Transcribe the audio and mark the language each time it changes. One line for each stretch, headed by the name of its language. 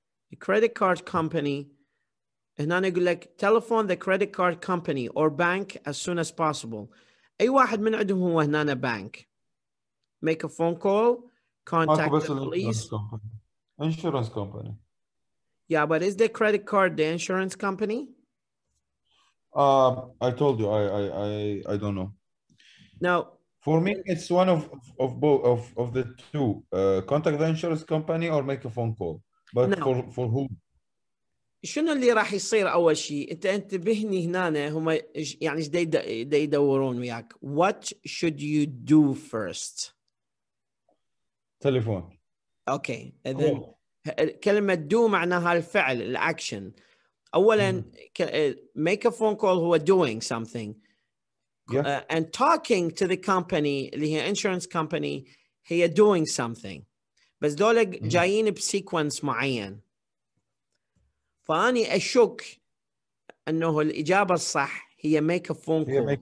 English: The credit card company.
Arabic: هنا يقول لك
English: telephone the credit card company or bank as soon as possible.
Arabic: أي واحد من عندهم هو هنا bank.
English: Make a phone call, contact the police. Insurance company. Yeah, but is the credit card the insurance company? I told you, I don't know. Now, for me, it's one of the two. Contact the insurance company or make a phone call. But now, for who?
Arabic: شنو اللي راح يصير اول شيء انت انتبهني هنا هم يعني ايش دي يدورون وياك
English: what should you do first
Arabic: تليفون اوكي اذا كلمه do معناها الفعل الاكشن اولا
English: make a phone call
Arabic: هو
English: doing something and talking to the company
Arabic: اللي هي
English: insurance company
Arabic: هي
English: doing something
Arabic: بس دول جايين بسيكونس معين فأني أشك أنه الإجابة الصح هي make a phone call.